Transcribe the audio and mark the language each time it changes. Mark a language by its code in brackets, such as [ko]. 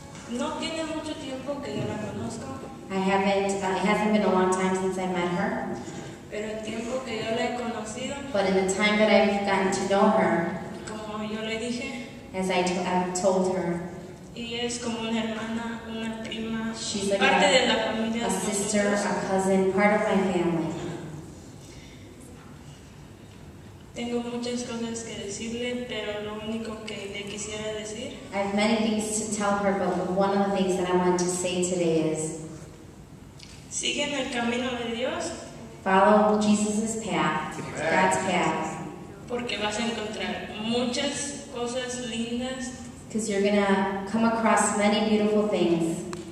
[es] No tiene mucho tiempo que yo la conozco. [en] It hasn't been a long time since I met her. [es] Pero el tiempo que yo la he conocido, [en] but in the time that I've gotten to know her, [es] como yo le dije, [en] as I've told her, [es] y es como una hermana, una prima, [en] she's like [es] parte de la familia, [en] a sister, a cousin, part of my family. [es] Tengo muchas cosas que decirle, pero lo único que le quisiera decir, [en] I have many things to tell her, but one of the things that I want to say today is, [es] sigue en el camino de Dios. [en] Follow Jesus' path, God's path. [es] Porque vas a encontrar muchas cosas lindas. [en] Because you're going to come across many beautiful things.